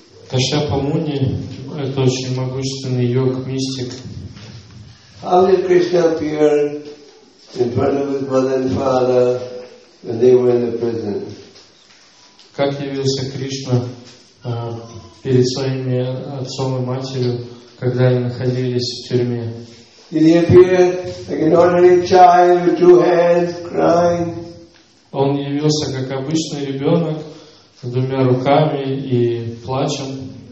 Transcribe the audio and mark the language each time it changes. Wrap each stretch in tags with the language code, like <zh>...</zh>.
<ru>Кашьяпа Муни – это очень могущественный йог, мистик.</ru> <en>How did Krishna appear in front of his mother and father when they were in the prison?</en> <ru>Как явился Кришна перед своими отцом и матерью, когда они находились в тюрьме?</ru> <en>Did he appear like an ordinary child with two hands crying?</en> <ru>Он явился как обычный ребенок с двумя руками и плачем.</ru>